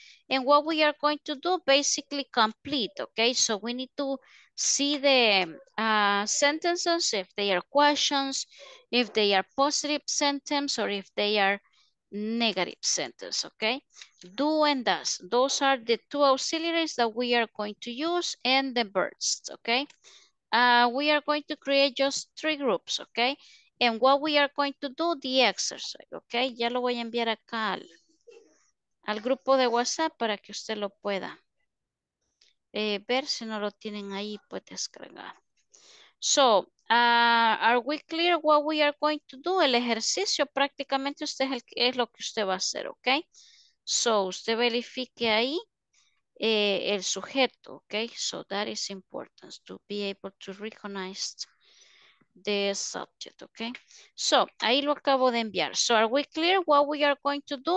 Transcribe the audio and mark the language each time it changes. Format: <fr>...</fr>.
<en>And what we are going to do, basically complete. Okay, so we need to see the sentences, if they are questions, if they are positive sentences, or if they are negative sentence, okay? Do and does. Those are the two auxiliaries that we are going to use and the verbs, okay? We are going to create just three groups, okay? And what we are going to do, the exercise, okay?</en> <es>Ya lo voy a enviar acá al grupo de WhatsApp para que usted lo pueda ver si no lo tienen ahí, pues descargar.</es> <en>So, are we clear what we are going to do?</en> <es>El ejercicio prácticamente usted es lo que usted va a hacer, ok? So, usted verifique ahí el sujeto, ok?</es> <en>So, that is important to be able to recognize the subject, ok? So,</en> <es>ahí lo acabo de enviar.</es> <en>So, are we clear what we are going to do?</en>